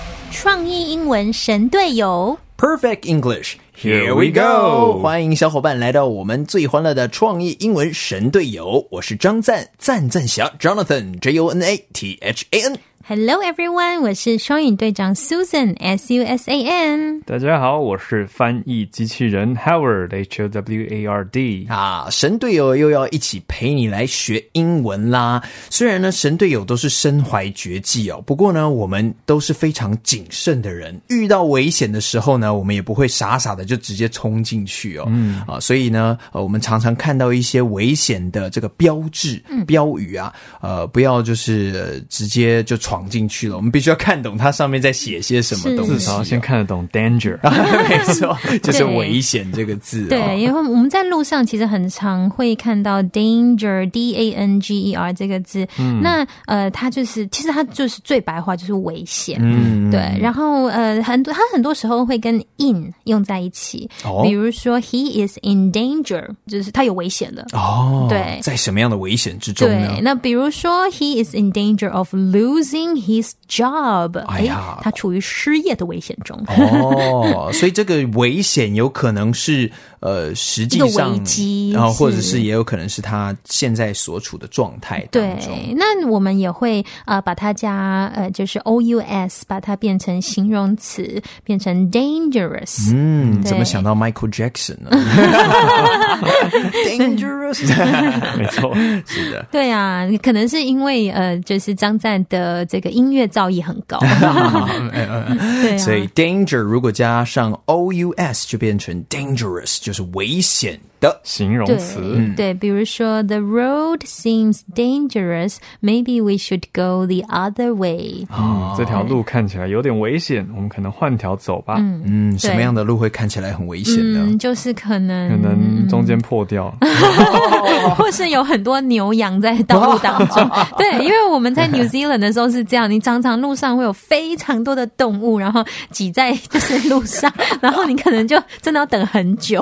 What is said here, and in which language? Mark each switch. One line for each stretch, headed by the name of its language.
Chinese: 创意英文神队友
English: Perfect English， Here we go！
Chinese: 欢迎小伙伴来到我们最欢乐的创意英文神队友，我是张赞，赞赞侠 Jonathan J O N A T H A N。
English: Hello everyone，
Chinese: 我是双语队长 Susan S U S A N。大家好，我是翻译机器人 Howard H O W A R D。啊，神队友又要一起陪你来学英文啦！虽然呢，神队友都是身怀绝技哦，不过呢，我们都是非常谨慎的人，遇到危险的时候呢，我们也不会傻傻的就直接冲进去哦。嗯啊，所以呢，我们常常看到一些危险的这个标志、标语啊，不要就是、直接就冲。闯进去了，我们必须要看懂它上面在写些什么东西，至少先看得懂 danger 没错，就是危险这个字。对，因为我们在路上其实很常会看到 danger D-A-N-G-E-R 这个字、那它就是其实它就是最白话就是危险、对，然后它很多时候会跟 in 用在一起、比如说
English: he is in danger，
Chinese: 就是他有危险了、对，在什么样的危险之中呢？对，那比如说
English: he is in danger of losing his job，
Chinese: 哎呀，他处于失业的危险中。哦，所以这个危险有可能是实际上危机，然后或者是也有可能是他现在所处的状态当中。对，那我们也会把它加就是 O U S， 把它变成形容词，变成 dangerous。怎么想到 Michael Jackson 呢？
English: dangerous，
Chinese: 没错，是的。对啊，可能是因为就是张赞的这个音乐造诣很高，所以 danger 如果加上 O U S 就变成 dangerous。就是危险的形容词。对，比如说
English: The road seems dangerous， Maybe we should go the other way、
Chinese: 这条路看起来有点危险，我们可能换条走吧。什么样的路会看起来很危险呢？就是可能中间破掉、或是有很多牛羊在道路当中对，因为我们在 New Zealand 的时候是这样，你常常路上会有非常多的动物然后挤在就是路上然后你可能就真的要等很久。